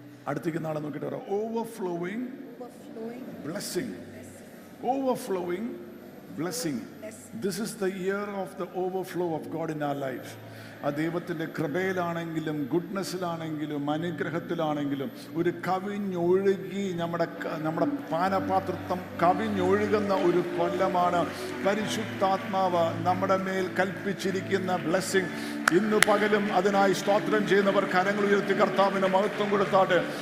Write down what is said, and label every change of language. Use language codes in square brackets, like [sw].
[ml] അടുത്തേക്ക് നാളെ നോക്കിട്ട് പറ [en] overflowing blessing. Overflowing blessing. This is the year of the overflow of God in our life. [ml] ആ ദൈവത്തിൻ്റെ കൃപയിലാണെങ്കിലും ഗുഡ്നെസ്സിലാണെങ്കിലും അനുഗ്രഹത്തിലാണെങ്കിലും ഒരു കവിഞ്ഞൊഴുകി നമ്മുടെ പാനപാത്രത്വം കവിഞ്ഞൊഴുകുന്ന ഒരു കൊല്ലമാണ്. പരിശുദ്ധാത്മാവ് നമ്മുടെ മേൽ കൽപ്പിച്ചിരിക്കുന്ന ബ്ലെസ്സിങ് ഇന്ന് പകലും അതിനായി സ്തോത്രം ചെയ്യുന്നവർ കരങ്ങൾ ഉയർത്തി കർത്താവിന് മഹത്വം കൊടുത്താട്ടെ.